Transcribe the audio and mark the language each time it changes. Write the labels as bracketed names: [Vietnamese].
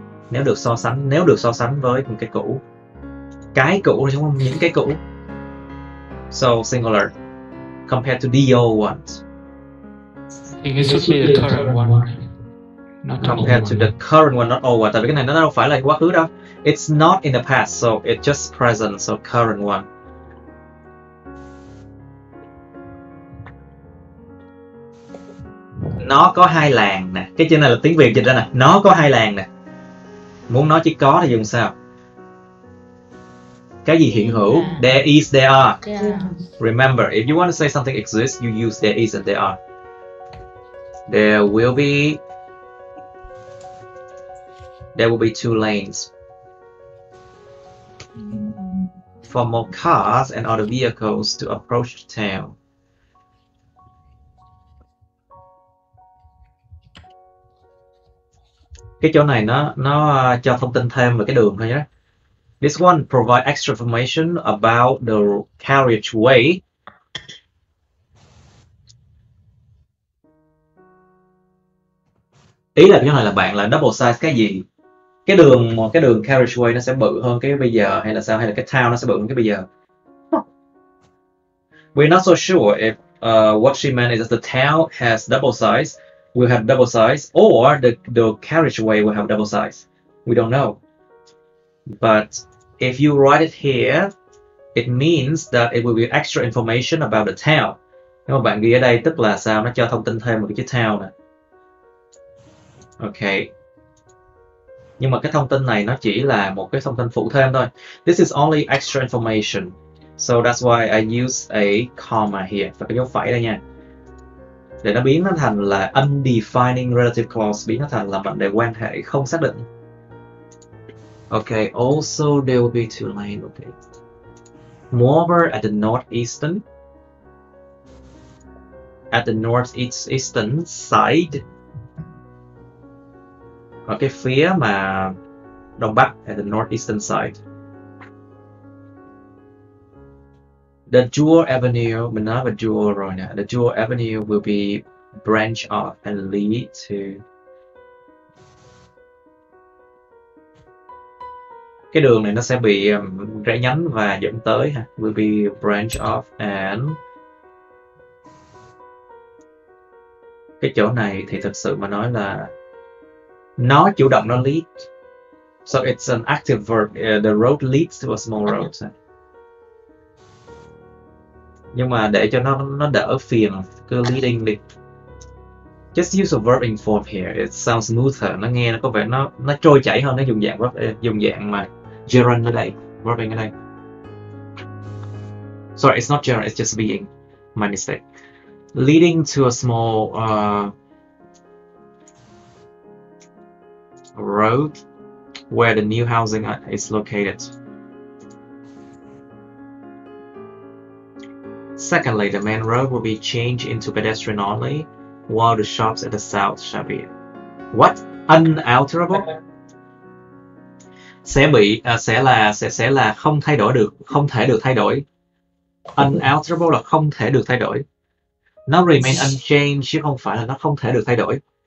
[Vietnamese] Nếu được so sánh với một cái cũ. Cái cũ là không những cái cũ. [English] So singular compared to the old ones. It should be the current one. Not compared to one. The current one, not old one. [Vietnamese] Tại vì cái này nó đâu phải là quá khứ đâu. [English] It's not in the past, so it's just present, so current one. [Vietnamese] Nó có hai làng nè. Cái chữ này là tiếng Việt dịch ra nè. Nó có hai làng nè. Muốn nói chỉ có thì dùng sao? Cái gì hiện hữu? [English] Yeah. There is, there are. Yeah. Remember, if you want to say something exists, you use there is and there are. There will be... There will be two lanes for more cars and other vehicles to approach the town. [Vietnamese] Cái chỗ này nó cho thông tin thêm về cái đường thôi nhé. [English] This one provide extra information about the carriageway. [Vietnamese] Ý là chỗ này là bạn là [English] double size [Vietnamese] cái gì? Cái đường carriageway nó sẽ bự hơn cái bây giờ hay là sao, hay là cái town nó sẽ bự hơn cái bây giờ. [English] We're not so sure if what she meant is that the town has double size, will have double size, or the carriageway will have double size. We don't know. But if you write it here, it means that it will be extra information about the town. [Vietnamese] Nếu mà bạn ghi ở đây tức là sao, nó cho thông tin thêm một cái chữ town nè. Okay. Nhưng mà cái thông tin này nó chỉ là một cái thông tin phụ thêm thôi. [English] This is only extra information. So that's why I use a comma here. [Vietnamese] Và cái dấu phẩy đây nha. Để nó biến nó thành là [English] undefining relative clause. [Vietnamese] Biến nó thành là mệnh đề quan hệ không xác định. [English] Okay, also there will be two lanes. Okay. Moreover, at the northeastern. At the northeastern side. [Vietnamese] Ở cái phía mà đông bắc, [English] at the northeastern side. [Vietnamese] The Jewel Avenue, mình nói về Jewel rồi nè. [English] The Jewel Avenue will be branch off and lead to... [Vietnamese] Cái đường này nó sẽ bị rẽ nhánh và dẫn tới ha. [English] Will be branch off and... [Vietnamese] Cái chỗ này thì thực sự mà nói là... Nó chủ động, nó lead. [English] So it's an active verb. The road leads to a small road. [Vietnamese] Nhưng mà để cho nó đỡ phiền, cứ leading đi. [English] Just use a verb in form here. It sounds smoother. [Vietnamese] Nó nghe nó có vẻ nó trôi chảy hơn. Nó dùng dạng mà gerund ở đây. Verb ở đây. [English] Sorry, it's not gerund. It's just being. My mistake. Leading to a small... road where the new housing is located. Secondly, the main road will be changed into pedestrian only, while the shops at the south shall be what? Unalterable? [Vietnamese] sẽ là không thay đổi được, không thể được thay đổi. Unalterable là không thể được thay đổi. Nó [English] remain unchanged [Vietnamese] chứ không phải là nó không thể được thay đổi.